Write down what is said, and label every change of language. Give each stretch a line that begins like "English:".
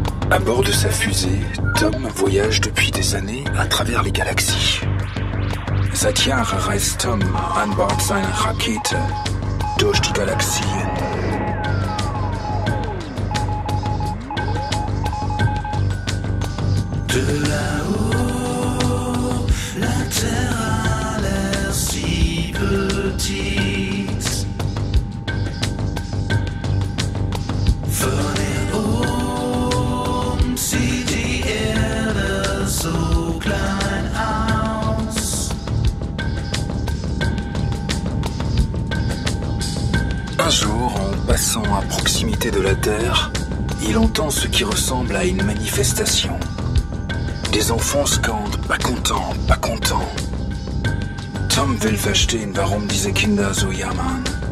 French: À bord de sa fusée, Tom voyage depuis des années à travers les galaxies.
German: Seit Jahren reist Tom an Bord seiner Rakete durch die Galaxien.
French: De là-haut, la Terre a l'air si petite.
German: Venez home, sieht die Erde so klein aus.
French: Un jour, en passant à proximité de la Terre, il entend ce qui ressemble à une manifestation. Des enfants scandent, pas content, pas content.
German: Tom will verstehen, warum diese Kinder so jammern.